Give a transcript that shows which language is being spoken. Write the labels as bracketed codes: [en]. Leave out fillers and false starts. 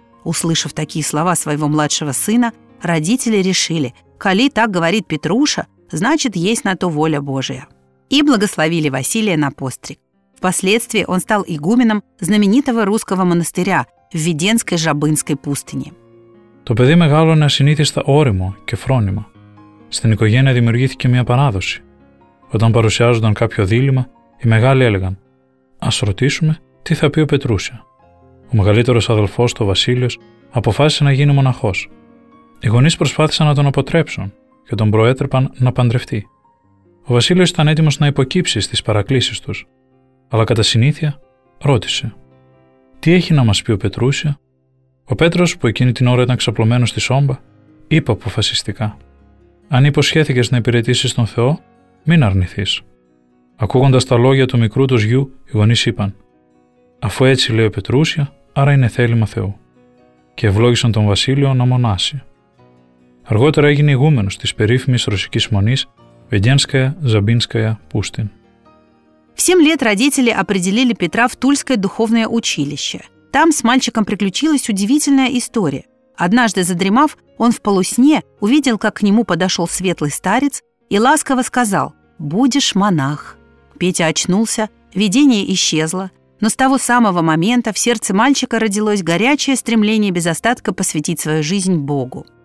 [ru] Услышав такие слова своего младшего сына, родители решили: «Коли так говорит Петруша, значит, есть на то воля Божия». И благословили Василия на постриг. Впоследствии он стал игуменом знаменитого русского монастыря в Введенской Жабынской пустыне. [el] То παιδί мегалоне асинитиста оримо και фронимо. Στην οικογένεια δημιουργήθηκε μια παράδοση. Όταν παρουσιάζονταν κάποιο δίλημα, οι μεγάλοι έλεγαν: «Ας ρωτήσουμε τι θα πει ο Πετρούσια». Ο μεγαλύτερος αδελφός του, ο Βασίλειος, αποφάσισε να γίνει μοναχός. Οι γονείς προσπάθησαν να τον αποτρέψουν και τον προέτρεπαν να παντρευτεί. Ο Βασίλειος ήταν έτοιμος να υποκύψει στις παρακλήσεις τους, αλλά κατά συνήθεια ρώτησε: «Τι έχει να μας πει ο Πετρούσια?» Ο Πέτρος, που εκείνη την ώρα ήταν ξαπλωμένος στη σόμπα, είπε αποφασιστικά: «Αν υποσχέθηκες να υπηρετήσεις τον Θεό, μην αρνηθείς». Ακούγοντας τα λόγια του μικρού τους γιου, οι γονείς είπαν: «Αφού έτσι λέει ο Πετρούσια, άρα είναι θέλημα Θεού». Και ευλόγησαν τον Βασίλειο να μονάσει. Αργότερα έγινε ηγούμενος της περίφημης ρωσικής μονής Введенская Жабинская пустынь. [ru] В 7 лет родители определили Петра в Тульское духовное училище. Там с мальчиком приключилась удивительная история. Однажды задремав, он в полусне увидел, как к нему подошел светлый старец и ласково сказал: «Будешь монах». Петя очнулся, видение исчезло, но с того самого момента в сердце мальчика родилось горячее стремление без остатка посвятить свою жизнь Богу.